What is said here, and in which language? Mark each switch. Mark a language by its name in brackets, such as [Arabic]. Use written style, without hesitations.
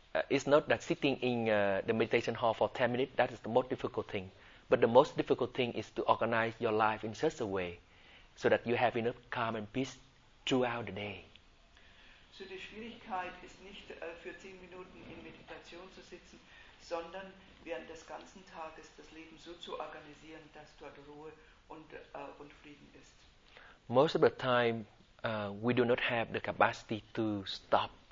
[English] It's not that sitting in the meditation hall for 10 minutes, that is the most difficult thing. But the most difficult thing is to organize your life in such a way so that you have enough calm and peace throughout the day. [German] So die Schwierigkeit ist nicht für 10 Minuten in Meditation zu sitzen, sondern während des ganzen Tages das Leben so zu organisieren, dass dort Ruhe und Frieden ist. [English] Most of the time, we do not have the capacity to stop.